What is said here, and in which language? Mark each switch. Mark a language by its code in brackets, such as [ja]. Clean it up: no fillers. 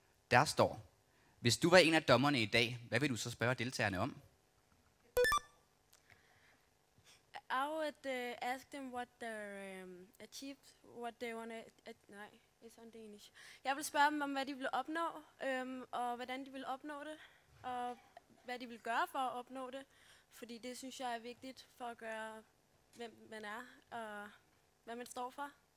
[da] Der står, hvis du var en af dommerne i dag, hvad vil du så spørge deltagerne om? [en] I would ask them what they're achieved, what they want to, nej, it's on Danish. [da] Jeg vil spørge dem om, hvad de vil opnå, og hvordan de vil opnå det, og hvad de vil gøre for at opnå det. Fordi det synes jeg er vigtigt for at gøre, hvem man er, og hvad man står for.